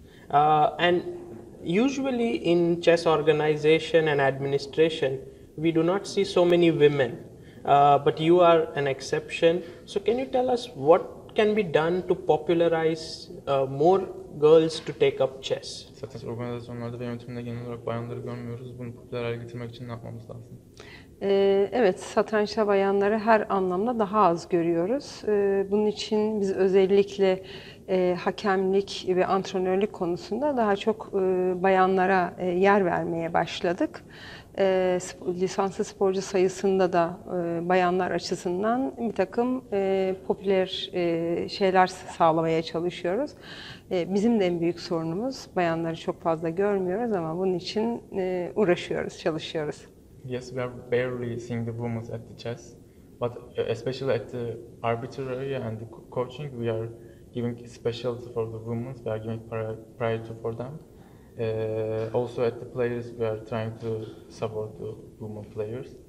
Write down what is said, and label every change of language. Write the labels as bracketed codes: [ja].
[en] And usually in chess organization and administration, we do not see so many women, but you are an exception. So can you tell us what can be done to popularize more girls to take up chess? [tr] Satranç organizasyonlarda ve yönetimde genel olarak bayanları görmüyoruz. Bunu popüler hale getirmek için ne yapmamız lazım? Evet, satrançta bayanları her anlamda daha az görüyoruz. Bunun için biz özellikle hakemlik ve antrenörlük konusunda daha çok bayanlara yer vermeye başladık. Lisanslı sporcu sayısında da bayanlar açısından bir takım popüler şeyler sağlamaya çalışıyoruz. Bizim de en büyük sorunumuz, bayanları çok fazla görmüyoruz ama bunun için uğraşıyoruz, çalışıyoruz. [en] Yes, we are barely seeing the women at the chess, but especially at the arbitrary and the coaching, we are giving special for the women, we are giving priority for them. Also at the players, we are trying to support the women players.